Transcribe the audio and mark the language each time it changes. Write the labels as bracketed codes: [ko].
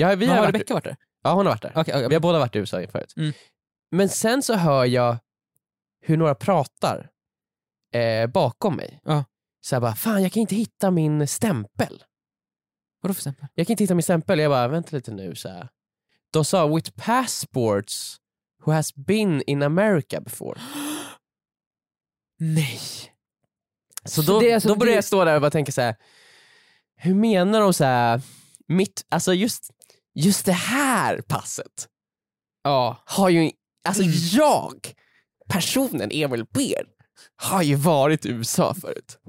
[sv] Ja, vi har Rebecka varit där. Ja, hon har varit där. Okay. Vi har båda varit i USA förut. Mm. Men sen så hör jag hur några pratar bakom mig. Ja. Så jag bara, fan, jag kan inte hitta min stämpel. Vadå för stämpel? Jag kan inte hitta min stämpel. Jag bara, vänta lite nu. Så här. De sa, [en] with passports who has been in America before. [sv] Nej. Så då, alltså, då börjar jag stå där och bara tänka så här. Hur menar de så här? Mitt, alltså just det här passet. Ja. Har ju... Alltså jag, personen Emil Beer, har ju varit i USA förut.